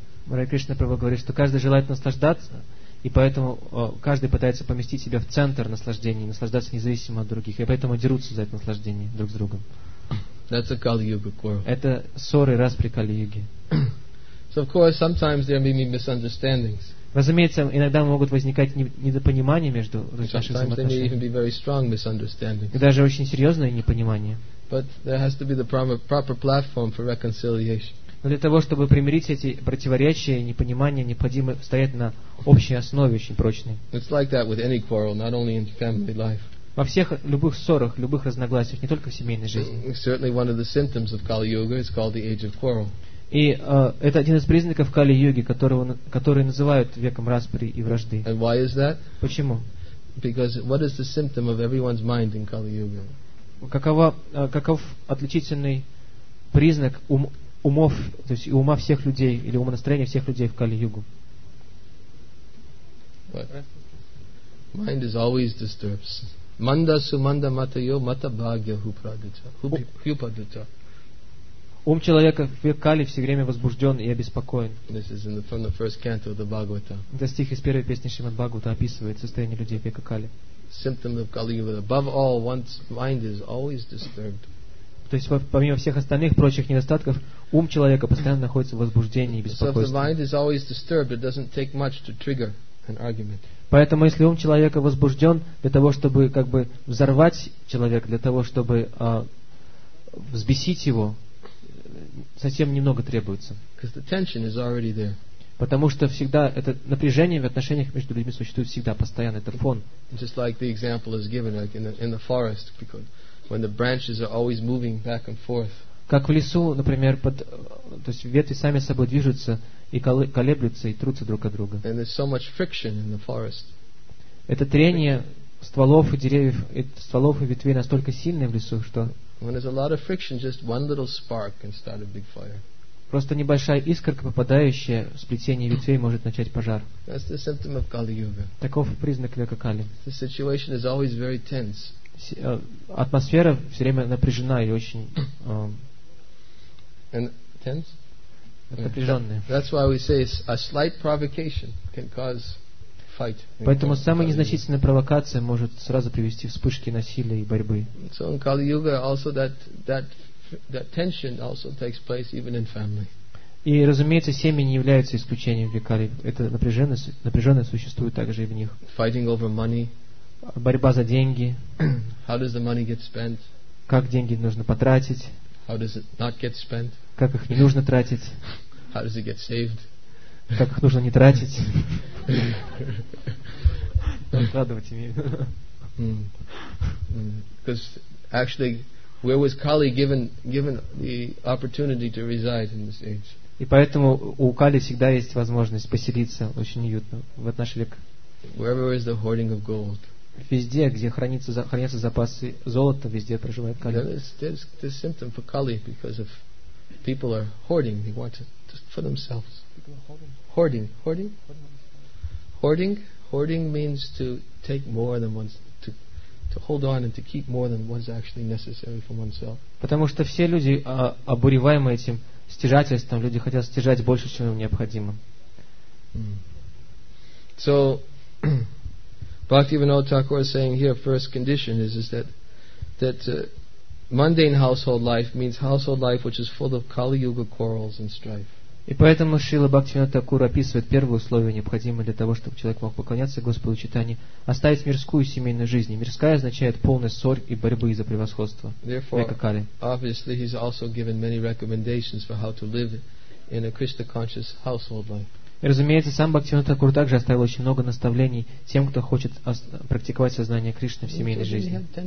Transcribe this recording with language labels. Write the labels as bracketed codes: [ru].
[ru] Мария Кришна Прабху говорит, что каждый желает наслаждаться, и поэтому каждый пытается поместить себя в центр наслаждения, наслаждаться независимо от других, и поэтому дерутся за это наслаждение друг с другом. [en] That's a Kali-Yuga quarrel. [ru] Это ссоры, распри Кали-Юги. [en] So of course, sometimes there may be misunderstandings. [ru] Разумеется, иногда могут возникать недопонимания между нашими взаимоотношениями. [en] There may even be very strong misunderstandings. [ru] И даже очень серьезное непонимание. [en] But there has to be the proper platform for reconciliation. [ru] Но для того, чтобы примирить эти противоречия и непонимания, необходимо стоять на общей основе, очень прочной. [en] It's like that with any quarrel, not only in family life. [ru] Во всех любых ссорах, любых разногласиях, не только в семейной жизни. [en] Certainly one of the symptoms of Kali-Yuga is called the age of quarrel. [ru] И это один из признаков Кали-Юги, который называют веком распри и вражды. [en] And why is that? [ru] Почему? [en] Because what is the symptom of everyone's mind in Kali-Yuga? [ru] Каков отличительный признак умов, то есть ума всех людей или ума настроения всех людей в Кали-Югу? [en] Mind is always disturbed. [sa] Manda sumanda matayo mata bhagya hupadita. [ru] Ум человека в Кали все время возбужден и обеспокоен. [en] This is from the first canto of the Bhagavata. [ru] Это стих из первой песни Шримад Бхагавата описывает состояние людей в Кали. [en] Symptom of Kali-Yuga. Above all, one's mind is always disturbed. [ru] То есть помимо всех остальных прочих недостатков, ум человека постоянно находится в возбуждении и беспокойстве. [en] So the mind is always disturbed, it doesn't take much to trigger an argument. [ru] Поэтому если ум человека возбужден для того, чтобы как бы взорвать человека, для того, чтобы взбесить его, совсем немного требуется. [en] Because the tension is already there. [ru] Потому что всегда это напряжение в отношениях между людьми существует всегда, постоянно, это фон. [en] Just like the example is given, like in the forest, because when the branches are always moving back and forth. [ru] Как в лесу, например, под, то есть ветви сами собой движутся и колеблются и трутся друг от друга. [en] And there's so much friction in the forest. [ru] Это трение стволов и деревьев, и стволов и ветвей настолько сильное в лесу, что [en] when there's a lot of friction, just one little spark can start a big fire. [ru] Просто небольшая искорка, попадающая в сплетение ветвей, может начать пожар. [en] That's the symptom of Kali-Yuga. [ru] Таков признак века Кали. [en] The situation is always very tense. [ru] Атмосфера все время напряжена и очень напряженная. [en] That's why we say a slight provocation can cause fight. [ru] Поэтому самая незначительная провокация может сразу привести к вспышке насилия и борьбы. [en] So in Kali-Yuga also that tension also takes place even in family. [ru] И, разумеется, семьи не являются исключением в Викали. Эта напряженность существует также и в них. [en] Fighting over money. [ru] Борьба за деньги. [en] How does the money get spent? [ru] Как деньги нужно потратить? [en] How does it not get spent? [ru] Как их не нужно тратить? [en] How does it get saved? [ru] Как их нужно не тратить? Откладывать ими. [en] Because actually, where was Kali given the opportunity to reside in this age? [ru] И поэтому у Кали всегда есть возможность поселиться очень уютно в этот наш век. [en] Wherever is the hoarding of gold? [ru] Везде, где хранятся запасы золота, везде проживает Кали. [en] There's this symptom for Kali because of people are hoarding. They want it just for themselves. Hoarding means to take more than one's. To hold on and to keep more than what's actually necessary for oneself. [ru] Потому что все люди обуреваемы этим стяжательством. Люди хотят стяжать больше, чем им необходимо. [en] So, Bhaktivinoda Thakur is saying here, first condition is that mundane household life means household life which is full of Kali-Yuga quarrels and strife. [ru] И поэтому Шрила Бхактивинода Такур описывает первое условие, необходимое для того, чтобы человек мог поклоняться Господу Читания, оставить мирскую семейную жизнь. Мирская означает полная ссорь и борьбы из-за превосходства. Разумеется, сам Бхактивинода Такур также оставил очень много наставлений тем, кто хочет практиковать сознание Кришны в семейной жизни.